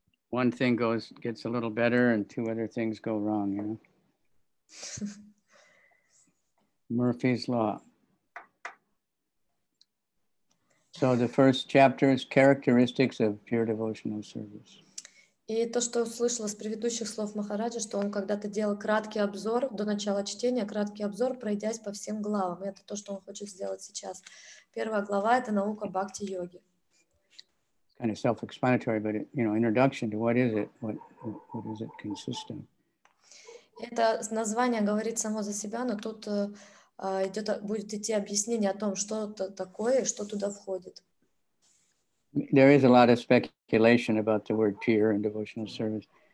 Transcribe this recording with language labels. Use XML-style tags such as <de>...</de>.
<en>One thing gets a little better, and two other things go wrong. You know. Murphy's Law. So the first chapter is characteristics of pure devotional service.</en> <ru>И то, что услышала с предыдущих слов Махараджа, что он когда-то делал краткий обзор до начала чтения, краткий обзор, пройдясь по всем главам. Это то, что он хочет сделать сейчас. Первая глава — это наука бхакти-йоги.</ru> <en>It's kind of self-explanatory, but it, you know, introduction to what is it? What is it consisting?</en> <ru>Это название говорит само за себя, но тут будет идти объяснение о том, что это такое, что туда входит.</ru> <en>There is a lot of speculation about the word pure in devotional service.</en>